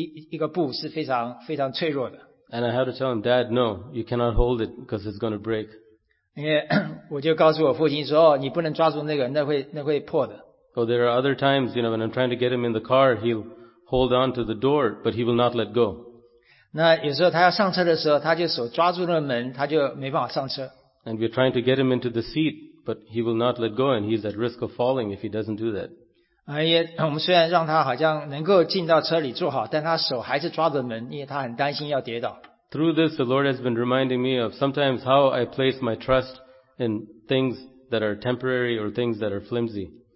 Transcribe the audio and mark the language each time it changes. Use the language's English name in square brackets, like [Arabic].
[Chinese] 也许有时候抓住只是一个布，是非常脆弱的。 [English] And I had to tell him, Dad, no, you cannot hold it because it's going to break. [Chinese] 因为我就告诉我父亲说，你不能抓住那个，那会破的。 [English] Oh, there are other times, you know, when I'm trying to get him in the car, he'll hold on to the door, but he will not let go. [Chinese] 那有时候他要上车的时候，他就手抓住那门，他就没办法上车。 [English] And we're trying to get him into the seat, but he will not let go, and he's at risk of falling if he doesn't do that. [Chinese] 我们虽然让他好像能够进到车里坐好，但他手还是抓着门，因为他很担心要跌倒。 [English] Through this, the Lord has been reminding me of sometimes how I place my trust in things that are temporary or things that are flimsy.